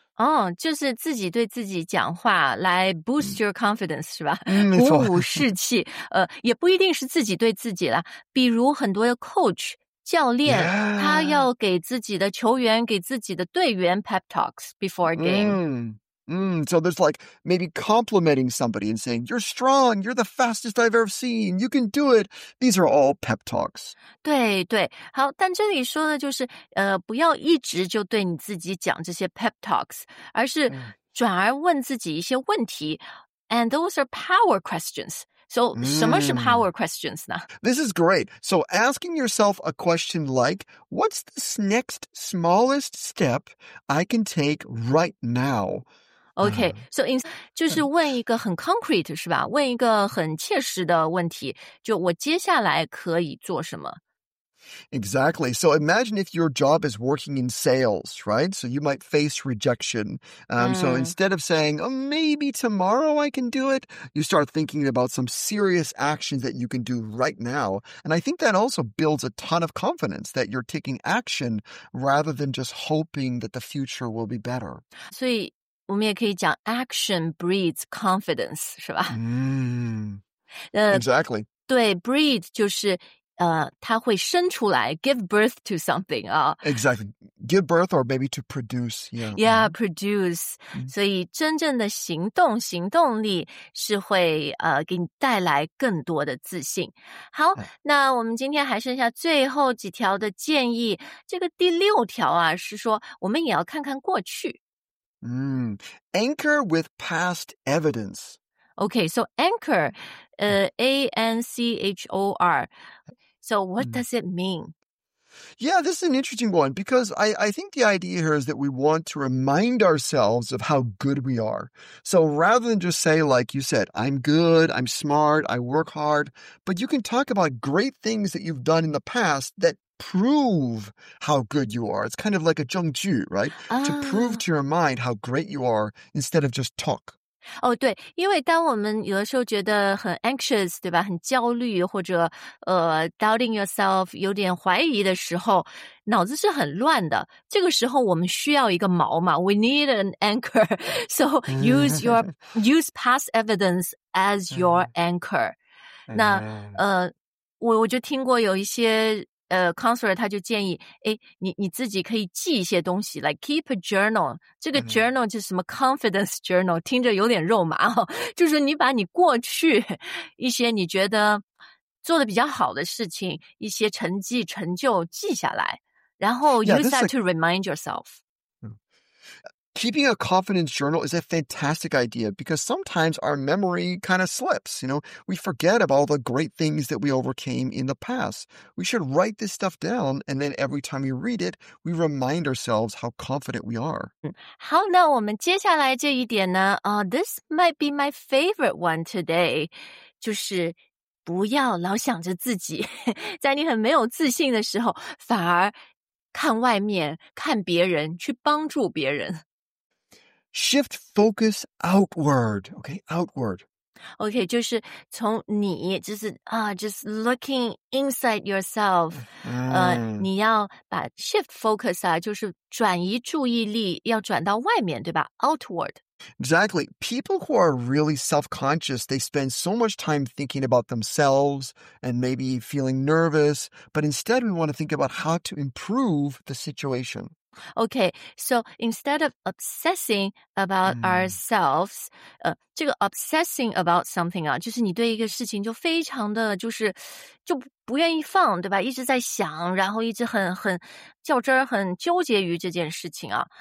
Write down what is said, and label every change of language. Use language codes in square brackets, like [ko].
[zh] 哦、oh, ，就是自己对自己讲话来 [en] boost your confidence、 [zh] 嗯、是吧？鼓舞士气，也不一定是自己对自己啦，比如很多的 coach。教练、 [en] yeah. [zh] 他要给自己的球员给自己的队员 [en] pep talks before a game. So there's like maybe complimenting somebody and saying, you're strong, you're the fastest I've ever seen, you can do it. These are all pep talks. [zh] 对对，好，但这里说的就是不要一直就对你自己讲这些 pep talks, 而是转而问自己一些问题。 [en] And those are power questions. So, [zh] 什么是 power questions 呢? [en] This is great. So, asking yourself a question like, what's the next smallest step I can take right now? Okay, so, [zh] 就是问一个很 concrete, 是吧? 问一个很切实的问题,就我接下来可以做什么? [en] Exactly. So imagine if your job is working in sales, right? So you might face rejection. So instead of saying, oh, maybe tomorrow I can do it, you start thinking about some serious actions that you can do right now. And I think that also builds a ton of confidence that you're taking action rather than just hoping that the future will be better. So we can also say action breeds confidence, right? Exactly. [zh] 对, breed 就是它会生出来 [en] give birth to something. Exactly. Give birth or maybe to produce. Yeah, yeah produce.、Mm-hmm. [zh] 所以真正的行动行动力是会给你带来更多的自信。好、 [en] yeah. [zh] 那我们今天还剩下最后几条的建议。这个第六条啊是说我们也要看看过去。 [en] Anchor with past evidence. Okay, so anchor, A-N-C-H-O-R. So what does it mean? Yeah, this is an interesting one because I think the idea here is that we want to remind ourselves of how good we are. So rather than just say, like you said, I'm good, I'm smart, I work hard, but you can talk about great things that you've done in the past that prove how good you are. It's kind of like a [zh] 证据, [en] right? To prove to your mind how great you are instead of just talk. [zh] 哦，对，因为当我们有的时候觉得很 anxious, 对吧，很焦虑或者 [en] doubting yourself, [zh] 有点怀疑的时候，脑子是很乱的。这个时候我们需要一个锚嘛 , [en] we need an anchor. So use past evidence as your anchor. [zh] 那我就听过有一些counselor 他就建议诶你自己可以记一些东西 [en] like keep a journal, [zh] 这个 journal 就是什么 confidence journal, 听着有点肉麻、哦、就是你把你过去一些你觉得做的比较好的事情一些成绩成就记下来然后 [en] use that to remind yourself. Keeping a confidence journal is a fantastic idea because sometimes our memory kind of slips, you know. We forget about all the great things that we overcame in the past. We should write this stuff down, and then every time we read it, we remind ourselves how confident we are. [zh] 好，那我们接下来这一点呢 [en] this might be my favorite one today, [zh] 就是不要老想着自己，在你很没有自信的时候，反而看外面，看别人，去帮助别人。 [en] Shift focus outward, okay, outward. [zh] Okay, 就是从你就是 [en] just looking inside yourself, [zh] 你要把 [en] shift focus [zh] 啊就是转移注意力要转到外面对吧 [en] outward. Exactly. People who are really self-conscious, they spend so much time thinking about themselves and maybe feeling nervous, but instead we want to think about how to improve the situation. Okay, so instead of obsessing about ourselves, [zh] 这个 [en] obsessing about something [zh] 啊，就是你对一个事情就非常的就是就不愿意放，对吧？一直在想，然后一直很较真儿，很纠结于这件事情啊。